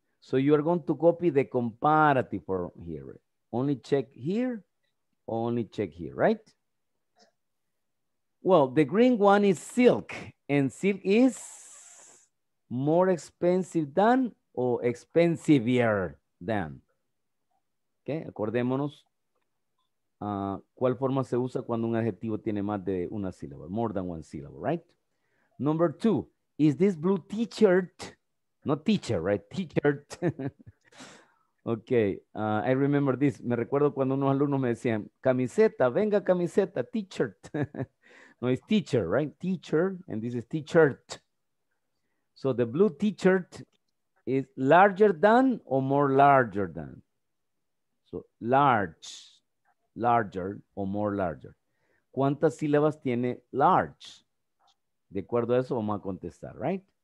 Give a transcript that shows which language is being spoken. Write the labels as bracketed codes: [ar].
[en] So you are going to copy the comparative for here. Only check here, only check here, right? Well, the green one is silk, and silk is more expensive than or expensivier than. Okay, [es] acordémonos ¿Cuál forma se usa cuando un adjetivo tiene más de una sílaba? [en] More than one syllable, right? Number two, is this blue t-shirt? Not teacher, right? T-shirt. Okay, I remember this. [es] Me recuerdo cuando unos alumnos me decían, camiseta, venga camiseta, t-shirt. [en] No, it's teacher, right? Teacher, and this is t-shirt. So the blue t-shirt is larger than or more larger than? So large, larger or more larger. [es] ¿Cuántas sílabas tiene large? De acuerdo a eso vamos a contestar, right?